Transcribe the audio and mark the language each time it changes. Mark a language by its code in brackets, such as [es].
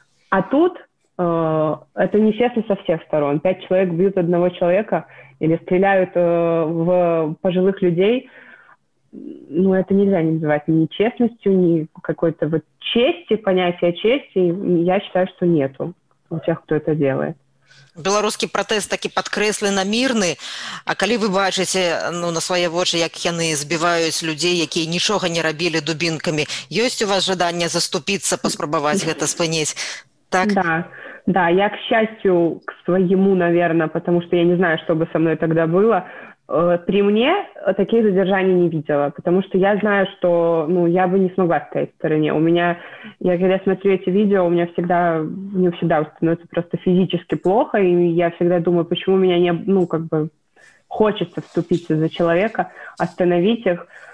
[ru] А тут это нечестно со всех сторон. Пять человек бьют одного человека или стреляют в пожилых людей. Ну, это нельзя не называть ни честностью, ни какой-то вот чести, понятия чести. Я считаю, что нету у тех, кто это делает. [be] Беларускі пратэст такі падкрэслена мірны, а калі вы бачыце, ну, на свае вочы, як яны збіваюць людзей, якія нічога не рабілі дубінкамі, ёсць у вас жаданне заступіцца, паспрабаваць гэта спыніць? Так? [ru] Да, да, я, к счастью, к свайму, наверна, потому што я не знаю, што бы са мной тогда было, при мне таких задержаний не видела, потому что я знаю, что, ну, я бы не смогла стоять в стороне. У меня, я когда смотрю эти видео, у меня всегда, не всегда становится просто физически плохо, и я всегда думаю, почему меня не, ну, как бы хочется вступиться за человека, остановить их.